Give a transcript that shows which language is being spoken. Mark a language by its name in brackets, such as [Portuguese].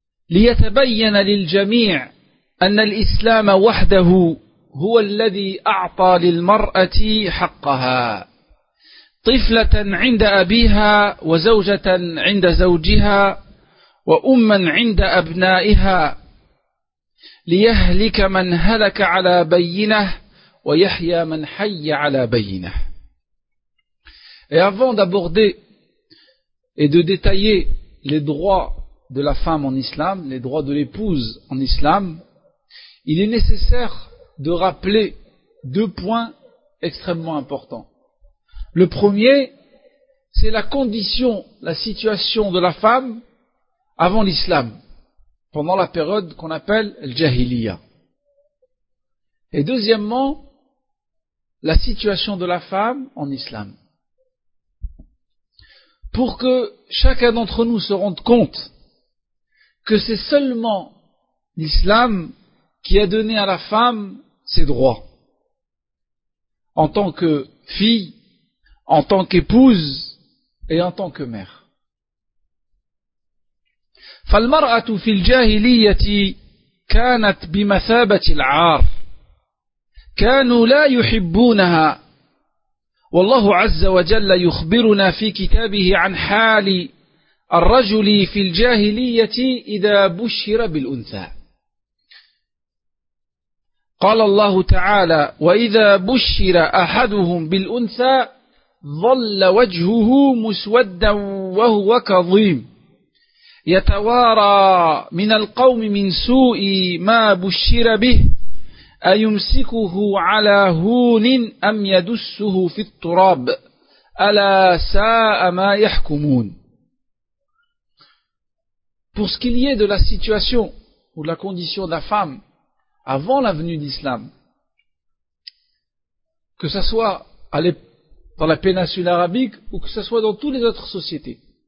[Arabic] ليتبين للجميع أن الإسلام وحده هو الذي أعطى للمرأة حقها طفلة عند أبيها وزوجة عند زوجها وأما عند أبنائها ليهلك من هلك على بينه ويحيى من حي على بينه. [French] Et avant d'aborder et de détailler les droits de la femme en islam, les droits de l'épouse en islam, il est nécessaire de rappeler deux points extrêmement importants. Le premier, c'est la condition, la situation de la femme avant l'islam, pendant la période qu'on appelle al-jahiliya. Et deuxièmement, la situation de la femme en islam. Pour que chacun d'entre nous se rende compte que c'est seulement l'islam qui a donné à la femme ses droits, en tant que fille, en tant qu'épouse et en tant que mère. [Arabic] فالمرأة في الجاهلية كانت بمثابة العار كانوا لا يحبونها والله عز وجل يخبرنا في كتابه عن حال الرجل في الجاهلية إذا بشر بالأنثى قال الله تعالى وإذا بشر أحدهم بالأنثى ظل وجهه مسودا وهو كظيم يتوارى من القوم من سوء ما بشر به أيمسكه على هون أم يدسه في التراب ألا ساء ما يحكمون. [French] Pour ce qu'il y est de la situation ou de la condition de la femme avant la venue d'Islam, que ce soit à dans la péninsule arabique ou que ce soit dans toutes les autres sociétés.